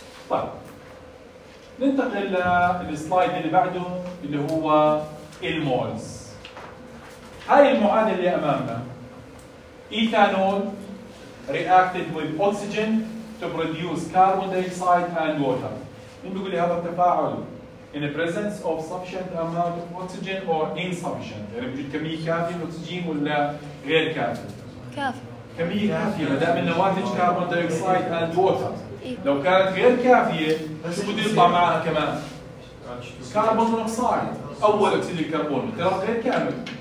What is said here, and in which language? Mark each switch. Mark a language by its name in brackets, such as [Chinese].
[Arabic] طيب ننتقل للسلايد اللي بعده اللي هو المولز. هاي المعادلة اللي أمامنا إيثانول رياكتد ويد أكسجين تو بروديوس كاربون دايوكسيد أند ووتر. [English] مين بيقول لي هذا التفاعل؟ In the presence of sufficient amount of oxygen or insufficient. [Arabic] يعني بوجود كمية كافية من الأكسجين ولا غير كافية؟ كافية. كمية كافية ما دام النواتج كربون دايوكسيد and water. لو كانت غير كافية شو بده يطلع معها كمان؟ كربون مونوكسيد أول أكسيد الكربون تراب غير كامل.